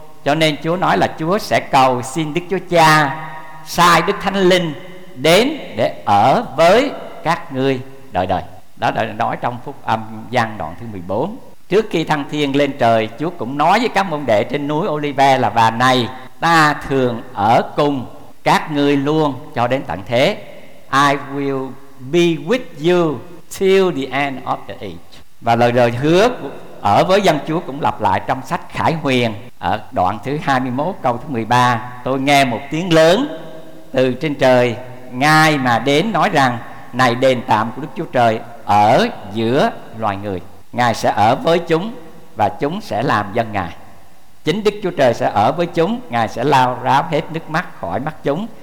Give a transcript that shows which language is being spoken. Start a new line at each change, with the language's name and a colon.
Vietnamese: Cho nên Chúa nói là Chúa sẽ cầu xin Đức Chúa Cha sai Đức Thánh Linh đến để ở với các ngươi đời đời. Đó là nói trong Phúc Âm Giăng đoạn thứ 14. Trước khi thăng thiên lên trời, Chúa cũng nói với các môn đệ trên núi Olive là: và này, ta thường ở cùng các ngươi luôn cho đến tận thế.
English: I will be with you till the end of the age.
Vietnamese: Và lời hứa ở với dân Chúa cũng lặp lại trong sách Khải Huyền ở đoạn thứ 21 câu thứ 13. Tôi nghe một tiếng lớn từ trên trời ngay mà đến nói rằng: này đền tạm của Đức Chúa Trời ở giữa loài người, Ngài sẽ ở với chúng và chúng sẽ làm dân Ngài. Chính Đức Chúa Trời sẽ ở với chúng, Ngài sẽ lau ráo hết nước mắt khỏi mắt chúng,